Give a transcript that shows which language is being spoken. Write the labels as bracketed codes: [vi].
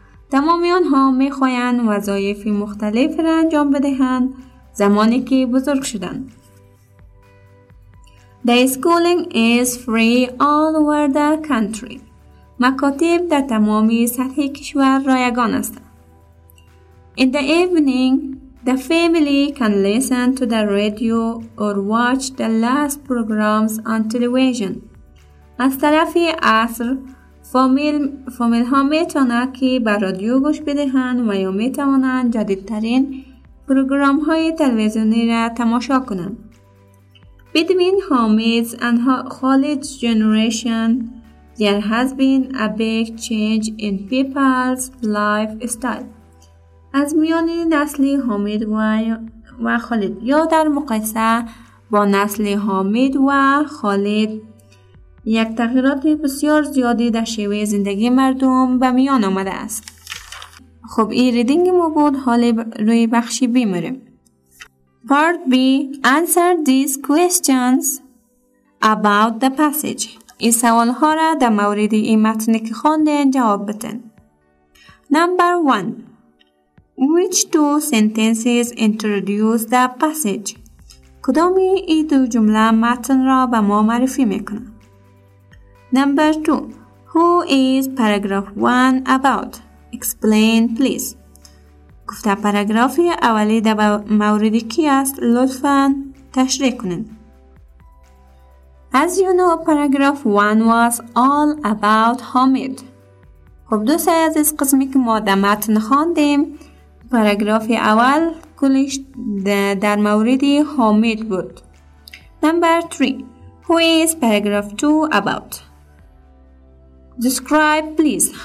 [fa] تمامی آنها می خواهند وظایف مختلف را انجام بدهند زمانی که بزرگ شدند. [en] The schooling is free all over the country. [fa] مکاتب در تمامی سطح کشور رایگان است. [en] In the evening, the family can listen to the radio or watch the last programs on television. [fa] از طرف عصر، فامیل ها می توانند که به رادیو گوش بدهند و یا می توانند جدیدترین پروگرام های تلویزیونی را تماشا کنند. [en] Between Hamid's and Khalid's generation, there has been a big change in people's lifestyle. [fa] از میان نسل حامد و خالد یا در مقایسه با نسل حامد و خالد یک تغییرات بسیار زیادی در شیوه زندگی مردم به میان آمده است. خب این ریدینگ ما بود، حال روی بخشی بیمریم. [en] Part B, answer these questions about the passage. [fa] این سوال ها را در مورد این متنی که خواندین جواب بدین. [en] Number 1. Which two sentences introduce the passage? [fa] کدامی ای دو جمله متن را به ما معرفی میکنند؟ Number 2. [en] Who is paragraph 1 about? Explain please. [fa] گفته پاراگراف اولی در مورد کی است؟ لطفاً تشریح کنید. [en] As you know, paragraph 1 was all about Hamid. [fa] خب دوست از این قسمی که ما در متن خواندیم، پاراگراف اول کلش در مورد حامد بود. [en] Number 3. Who is paragraph 2 about? Describe please.